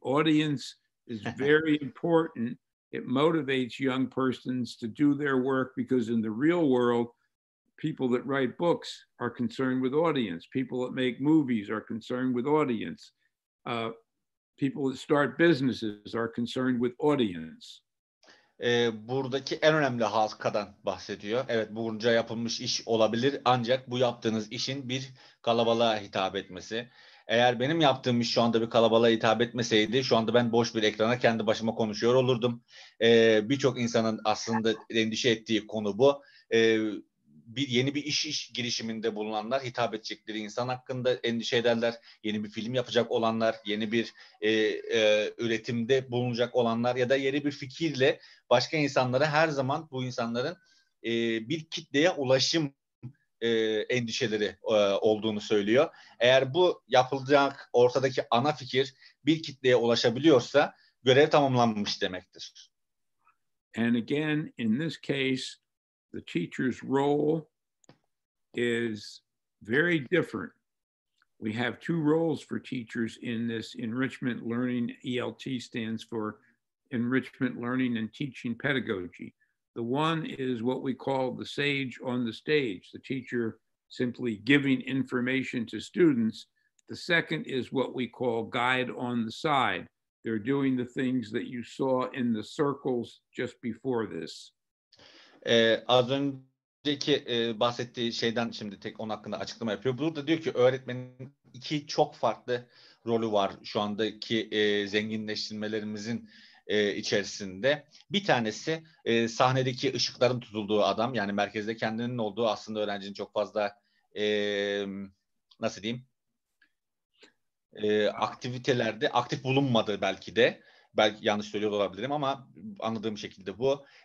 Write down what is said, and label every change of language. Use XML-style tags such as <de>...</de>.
<en>Audience is very important. It motivates young persons to do their work because in the real world, people that write books are concerned with audience. People that make movies are concerned with audience. People that start businesses are concerned with audience.</en> <tr>Buradaki en önemli halkadan bahsediyor. Evet, bunca yapılmış iş olabilir ancak bu yaptığınız işin bir kalabalığa hitap etmesi. Eğer benim yaptığım iş şu anda bir kalabalığa hitap etmeseydi, şu anda ben boş bir ekrana kendi başıma konuşuyor olurdum. Birçok insanın aslında endişe ettiği konu bu. Yeni bir iş girişiminde bulunanlar, hitap edecekleri insan hakkında endişe ederler. Yeni bir film yapacak olanlar, yeni bir üretimde bulunacak olanlar ya da yeni bir fikirle başka insanlara her zaman bu insanların bir kitleye ulaşım endişeleri olduğunu söylüyor. Eğer bu yapılacak ortadaki ana fikir bir kitleye ulaşabiliyorsa görev tamamlanmış demektir.</tr> <en>And again, in this case, the teacher's role is very different. We have two roles for teachers in this enrichment learning. ELT stands for Enrichment Learning and Teaching Pedagogy. The one is what we call the sage on the stage, the teacher simply giving information to students. The second is what we call guide on the side. They're doing the things that you saw in the circles just before this.</en> <tr>Az önceki bahsettiği şeyden şimdi tek onun hakkında açıklama yapıyor. Burada diyor ki öğretmenin iki çok farklı rolü var şu andaki zenginleştirmelerimizin içerisinde. Bir tanesi sahnedeki ışıkların tutulduğu adam, yani merkezde kendinin olduğu, aslında öğrencinin çok fazla nasıl diyeyim aktivitelerde aktif bulunmadığı, belki yanlış söylüyor olabilirim ama anladığım şekilde bu.</tr>